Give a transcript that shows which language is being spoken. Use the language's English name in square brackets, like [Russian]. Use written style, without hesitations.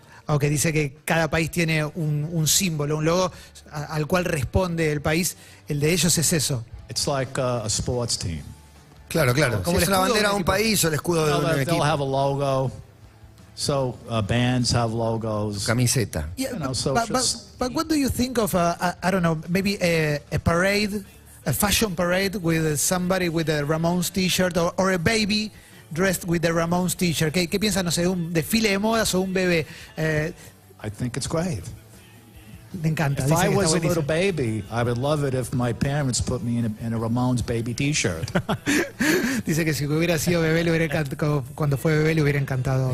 [Spanish] Okay, dice que cada país tiene un símbolo, un logo al cual responde el país. El de ellos es eso. [English] It's like a sports team. [Spanish] Claro, claro. Como si es la bandera de un país o el escudo de un equipo. [English] They'll have a logo. So bands have logos. [Spanish] Camiseta. [English] Yeah, but what do you think of I don't know, maybe a parade, a fashion parade with somebody with a Ramones T-shirt or a baby? Dressed with the Ramones T-shirt. [Spanish] ¿Qué piensa, no sé, un desfile de modas o un bebé? [English] I think it's great. [Spanish] Me encanta. [English] If I was a little baby, I would love it if my parents put me in a Ramones baby T-shirt. [Spanish] Dice que si hubiera sido bebé, cuando fue bebé, le hubiera encantado.